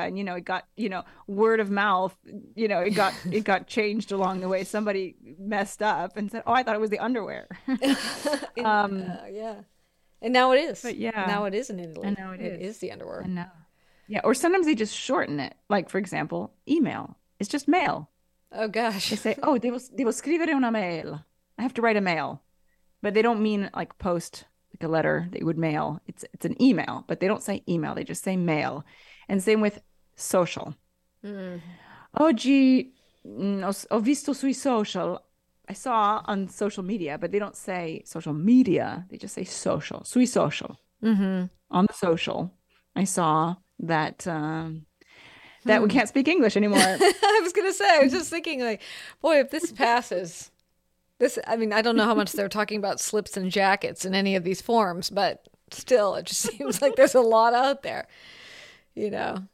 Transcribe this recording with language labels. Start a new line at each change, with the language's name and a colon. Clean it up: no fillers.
English: And, you know, it got, you know, word of mouth, you know, it got changed along the way. Somebody messed up and said, "Oh, I thought it was the underwear." And now it is. But yeah. Now it is in Italy. And now it is. It is the underwear. And now, yeah. Or sometimes they just shorten it. Like, for example, email. It's just mail. Oh, gosh. They say, "Oh,
Italian: devo scrivere una mail."
English: I have to write a mail. But they don't mean like post, like a letter that you would mail. It's an email. But they don't say email. They just say mail. And same with social.
Italian: Oggi, ho visto sui social.
English: I saw on social media, but they don't say social media. They just say social,
Italian: sui social.
English: On the social, I saw that that we can't speak English anymore. I was going to say, I was just thinking, like, boy, if this passes, this, I mean, I don't know how much they're talking about slips and jackets in any of these forms, but still, it just seems like there's a lot out there, you know.